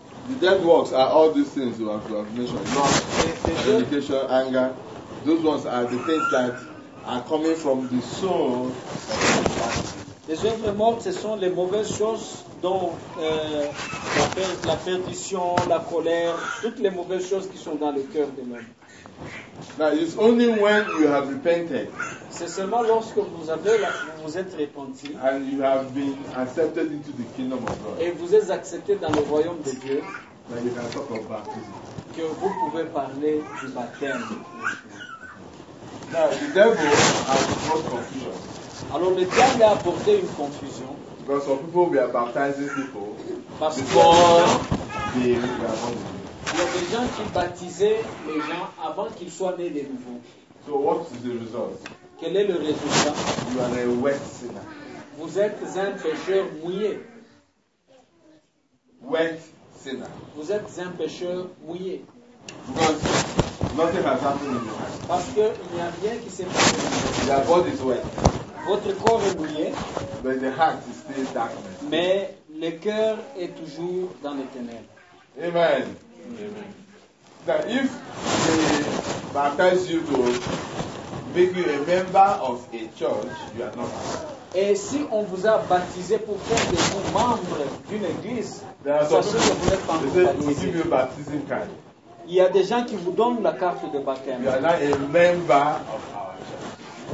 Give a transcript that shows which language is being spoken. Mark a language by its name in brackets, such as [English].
[English] The dead works are all these things you have mentioned. Not fornication, anger. Those ones are the things that are coming from the soul. [French] Les œuvres mortes, ce sont les mauvaises choses dont la perdition, la colère, toutes les mauvaises choses qui sont dans le cœur de l'homme. [English] Now, it's only when you have repented. [French] C'est seulement lorsque vous êtes repenti. [English] And you have been accepted into the kingdom of God. [French] Et vous êtes accepté dans le royaume de Dieu. [English] You can talk of baptism. [French] Que vous pouvez parler du baptême. [English] Now, the devil has brought confusion. [French] Alors le diable a apporté une confusion. [English] Because some people be baptizing people [French] parce [English] before they are born again. [French] Il y a des gens qui baptisaient les gens avant qu'ils soient nés de nouveau. [English] So what is the result? [French] Quel est le résultat? [English] You are a wet sinner. [French] Vous êtes un pécheur mouillé. [English] Wet sinner. [French] Vous êtes un pécheur mouillé. [English] Because nothing has happened in your heart. [French] Parce que il n'y a rien qui s'est passé. [English] Your body is wet. [French] Votre corps est mouillé, [English] but the heart is still darkness. [French] Mais le cœur est toujours dans les ténèbres. Amen. Amen. [English] Now, if they baptize you to make you a member of a church, you are not. [French] Et si on vous a baptisé pour faire de vous membre d'une église, sachez que vous n'êtes pas encore baptisé. [English] They give you a baptism card. [French] Il y a des gens qui vous donnent la carte de baptême. [English] You are not a member of our church.